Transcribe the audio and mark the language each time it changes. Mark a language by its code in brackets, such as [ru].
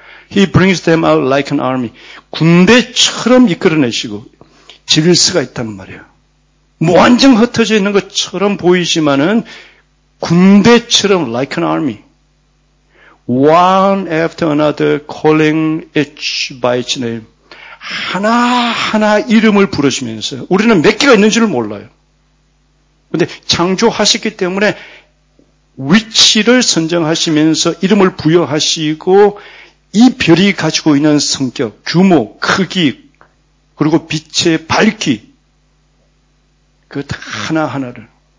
[en] He brings them out like an army. [ko] 군대처럼 이끌어내시고 질서가 있단 말이에요. 무한정 흩어져 있는 것처럼 보이지만은 군대처럼 [en] like an army. One after another calling each by its name. [ko] 하나하나 이름을 부르시면서 우리는 몇 개가 있는지를 몰라요. 그런데 창조하셨기 때문에 위치를 선정하시면서 이름을 부여하시고 이 별이 가지고 있는 성격, 규모, 크기, 그리고 빛의 밝기, 그 하나하나를.